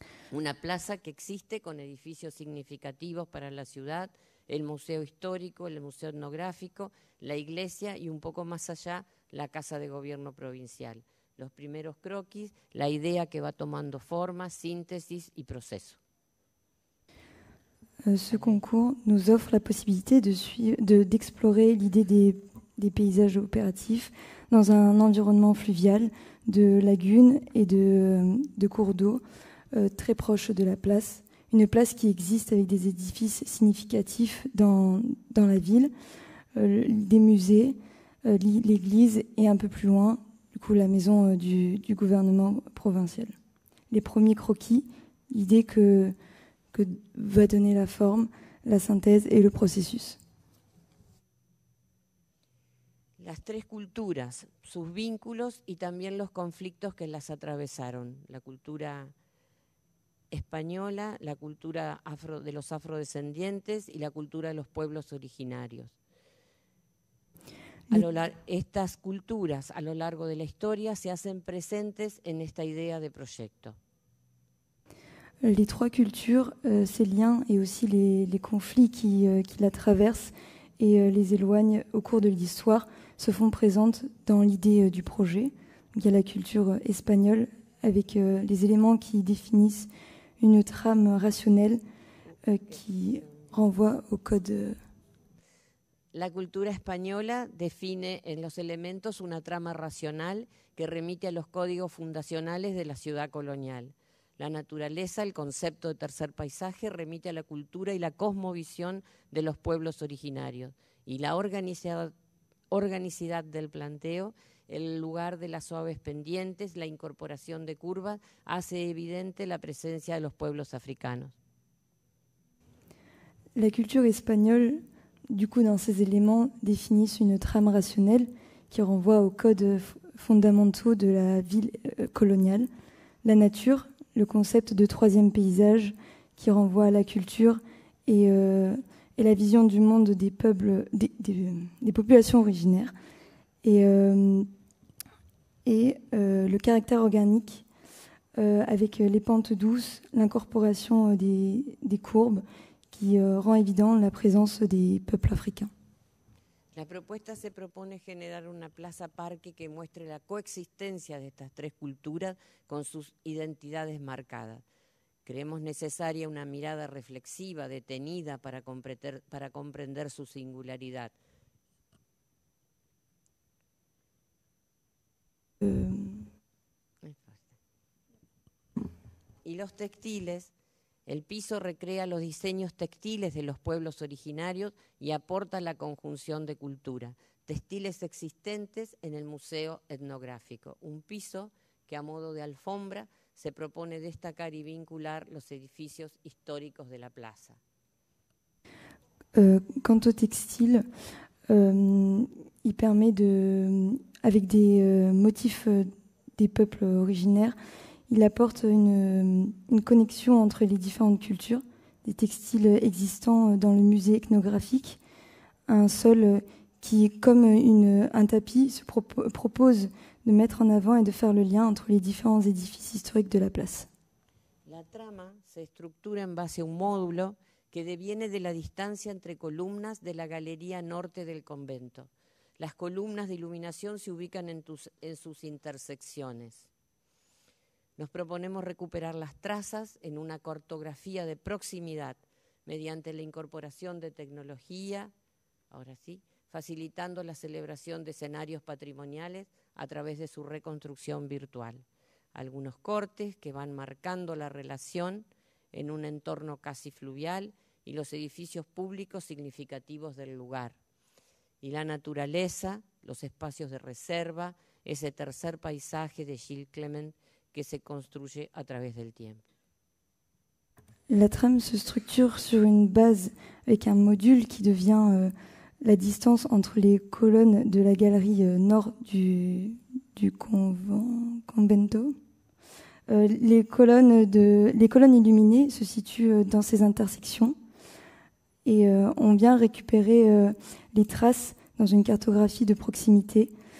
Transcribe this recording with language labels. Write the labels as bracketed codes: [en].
[es] Una plaza que existe con edificios significativos para la ciudad, el Museo Histórico, el Museo Etnográfico, la iglesia y un poco más allá, la Casa de Gobierno Provincial. Los primeros croquis, la idea que va tomando forma, síntesis y proceso. [fr] Ce concours nous offre la possibilité d'explorer l'idée des paysages opératifs dans un environnement fluvial de lagunes et de cours d'eau très proche de la place. Une place qui existe avec des édifices significatifs dans la ville, des musées, l'église et un peu plus loin, du coup, la maison du gouvernement provincial. Les premiers croquis, l'idée que va donner la forme, la synthèse et le processus. [es] Las tres culturas, sus vínculos y también los conflictos que las atravesaron. La cultura española, la cultura de los afrodescendientes y la cultura de los pueblos originarios. Estas culturas a lo largo de la historia se hacen presentes en esta idea de proyecto. [fr] Les trois cultures, ces liens et aussi les conflits qui la traversent et les éloignent au cours de l'histoire se font présentes dans l'idée du projet. Donc, il y a la culture espagnole avec les éléments qui définissent une trame rationnelle qui renvoie au code. [es] La cultura española define en los elementos una trama racional que remite a los códigos fundacionales de la ciudad colonial. La naturaleza, el concepto de tercer paisaje, remite a la cultura y la cosmovisión de los pueblos originarios. Y la organicidad del planteo, el lugar de las suaves pendientes, la incorporación de curvas, hace evidente la presencia de los pueblos africanos. [fr] La culture espagnole, du coup, dans ces éléments, définit une trame rationnelle qui renvoie aux codes fondamentaux de la ville coloniale. La nature, le concept de troisième paysage qui renvoie à la culture et la vision du monde des peuples, des populations originaires. Et le caractère organique avec les pentes douces, l'incorporation des courbes qui rend évident la présence des peuples africains. [es] La propuesta se propone generar una plaza parque que muestre la coexistencia de estas tres culturas con sus identidades marcadas. Creemos necesaria una mirada reflexiva, detenida, para comprender su singularidad. Y los textiles. El piso recrea los diseños textiles de los pueblos originarios y aporta la conjunción de cultura, textiles existentes en el Museo Etnográfico. Un piso que a modo de alfombra se propone destacar y vincular los edificios históricos de la plaza. [fr] Quant au textile, il permet de, avec des motifs des peuples originaires, il apporte une connexion entre les différentes cultures, des textiles existants dans le musée ethnographique, un sol qui, comme un tapis, se propose de mettre en avant et de faire le lien entre les différents édifices historiques de la place. [es] La trama se estructura en base a un módulo que deviene de la distancia entre columnas de la galería norte del convento. Las columnas de iluminación se ubican en sus intersecciones. Nos proponemos recuperar las trazas en una cartografía de proximidad mediante la incorporación de tecnología, ahora sí, facilitando la celebración de escenarios patrimoniales a través de su reconstrucción virtual. Algunos cortes que van marcando la relación en un entorno casi fluvial y los edificios públicos significativos del lugar. Y la naturaleza, los espacios de reserva, ese tercer paisaje de Gilles Clement que se construye a través del tiempo. [fr] La trame se structure sur une base avec un module qui devient la distance entre les colonnes de la galerie nord du convento. Les colonnes illuminées se situent dans ces intersections et on vient récupérer les traces dans une cartographie de proximité.